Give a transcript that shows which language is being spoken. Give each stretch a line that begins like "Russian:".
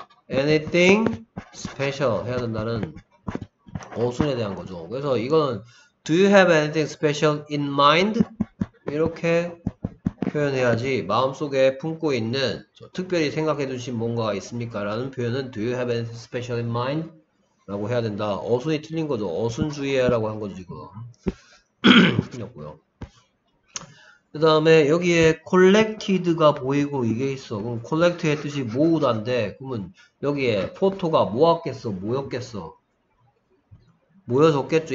English: Anything special
Korean: 해야 된다는 어순에 대한 거죠. 그래서 이거는
English: Do you have anything special in mind?
Korean: 이렇게 표현해야지 마음속에 품고 있는 저 특별히 생각해 두신 뭔가가 있습니까? 라는 표현은
English: Do you have anything special in mind?
Korean: 라고 해야 된다. 어순이 틀린 거죠. 어순주의라고 한 거죠 지금. 틀렸고요. 그 다음에 여기에 collected가 보이고 이게 있어. 그럼 collect의 뜻이 모으다인데 그러면 여기에 photo가 모았겠어? 모였겠어? 모여졌겠죠.